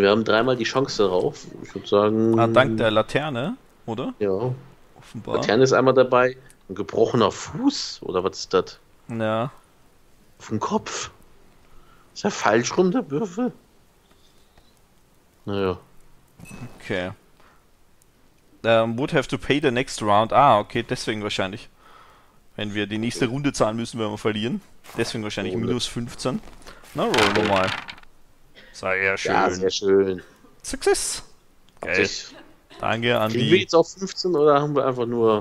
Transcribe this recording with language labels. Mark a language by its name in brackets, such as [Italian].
[German] Wir haben dreimal die Chance darauf. Ich würde sagen. Ah, dank der Laterne, oder? Ja. Offenbar. Laterne ist einmal dabei. Ein gebrochener Fuß, oder was ist das? Ja. Auf dem Kopf. Ist er falsch rum, der Würfel? Naja. Okay. [English] Would have to pay the next round. [German] Ah, okay, deswegen wahrscheinlich. Wenn wir die nächste Runde zahlen müssen, wenn wir verlieren. Deswegen wahrscheinlich minus 15. Na, rollen wir mal. Sei ja schön. Ja, sehr schön. [English] Success. [German] Geil. Danke an die. Kriegen wir jetzt auf 15 oder haben wir einfach nur.